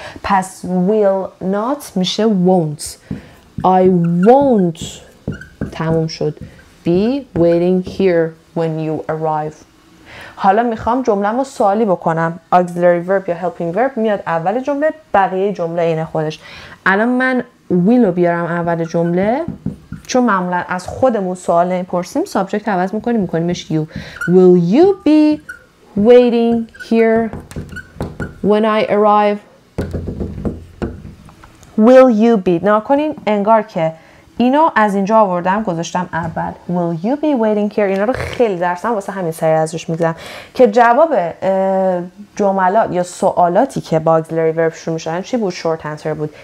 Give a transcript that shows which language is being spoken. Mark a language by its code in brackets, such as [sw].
[en] پس will not میشه won't. I won't، [fa] تموم شد، [en] be waiting here when you arrive. [fa] حالا میخوام جملم رو سوالی بکنم. auxiliary verb یا helping verb میاد اول جمله، بقیه جمله اینه خودش. الان من will رو بیارم اول جمله، چون معمولا از خودمون سوال نمیپرسیم، سابجکت عوض میکنیم، میکنیمش you. [en] Will you be waiting here when I arrive? Will you be. [fa] ناکنین انگار که اینو از اینجا آوردم گذاشتم اول. [en] Will you be waiting here؟ [fa] اینا رو خیلی درستم واسه همین سری ازش میگذرم که جواب جملات یا سوالاتی که با auxiliary verb شروع میشنن چی بود؟ short answer بود.